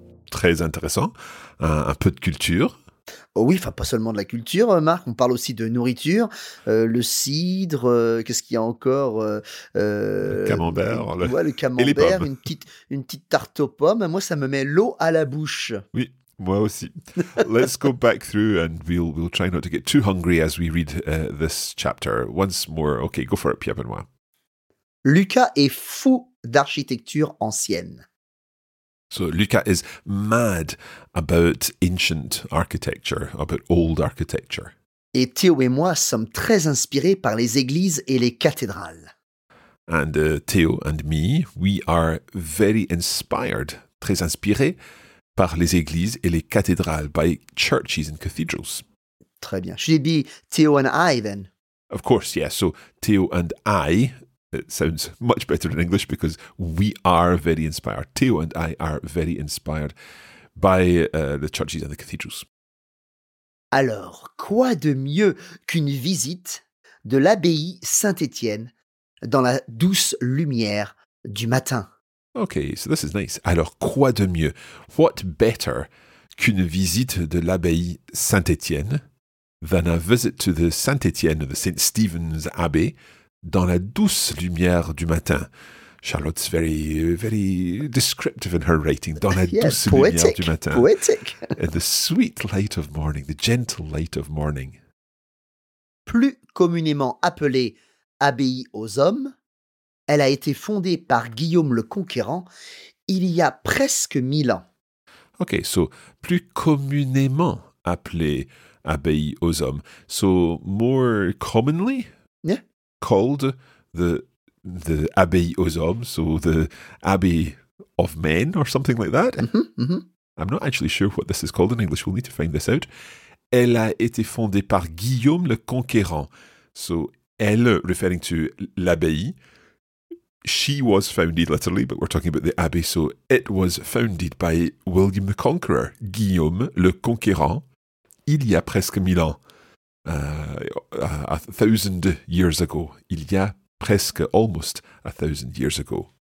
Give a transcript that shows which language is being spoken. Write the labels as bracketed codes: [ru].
[fr] Très intéressant. Un peu de culture. Oh oui, enfin pas seulement de la culture, Marc, on parle aussi de nourriture, le cidre, qu'est-ce qu'il y a encore Le camembert. Le camembert, une petite tarte aux pommes. Moi, ça me met l'eau à la bouche. Oui, moi aussi. [en] Let's go back through and we'll try not to get too hungry as we read this chapter. Once more, okay, go for it, Pierre Benoît. [fr] Lucas est fou d'architecture ancienne. [en] So Luca is mad about ancient architecture, about old architecture. [fr] Et Théo et moi sommes très inspirés par les églises et les cathédrales. [en] And Théo and me, we are very inspired, [fr] très inspirés par les églises et les cathédrales, [en] by churches and cathedrals. [fr] Très bien. [en] Should it be Théo and I then? Of course, yes. So Théo and I... It sounds much better in English because we are very inspired. Theo and I are very inspired by the churches and the cathedrals. [fr] Alors, quoi de mieux qu'une visite de l'abbaye Saint-Étienne dans la douce lumière du matin? [en] Okay, so this is nice. [fr] Alors, quoi de mieux? [en] What better [fr] qu'une visite de l'abbaye Saint-Étienne [en] than a visit to the Saint-Étienne, the St. [fr] Stephen's Abbey, dans la douce lumière du matin. [en] Charlotte's very, very descriptive in her writing. [fr] Dans la douce lumière du matin. [en] Poetic. In the sweet light of morning, the gentle light of morning. [fr] Plus communément appelée abbaye aux hommes, elle a été fondée par Guillaume le Conquérant il y a presque 1000 ans. [en] Okay, so [fr] plus communément appelée abbaye aux hommes. [en] So more commonly? Yeah. Called the Abbey aux hommes, so the Abbey of Men or something like that. I'm not actually sure what this is called in English. We'll need to find this out. [fr] Elle a été fondée par Guillaume le Conquérant. [en] So elle, referring to l'abbaye, she was founded literally, but we're talking about the abbey. So it was founded by William the Conqueror, Guillaume le Conquérant, [fr] il y a presque 1000 ans. [en] A thousand years ago. [fr] Il y a presque, [en] almost a thousand years ago.